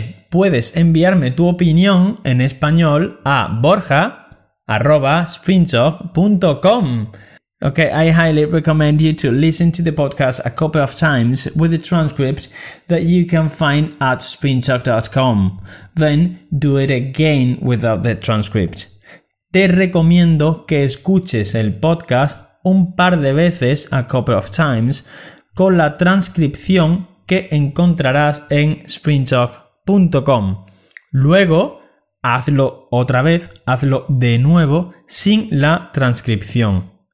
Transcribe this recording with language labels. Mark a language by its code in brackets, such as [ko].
[es] Puedes enviarme tu opinión en español a borja@sprintalk.com. [en] Okay, I highly recommend you to listen to the podcast a couple of times with the transcript that you can find at sprintalk.com. Then do it again without the transcript. [es] Te recomiendo que escuches el podcast un par de veces, [en] a couple of times, [es] con la transcripción que encontrarás en sprintalk.com. Luego, hazlo otra vez, hazlo de nuevo sin la transcripción.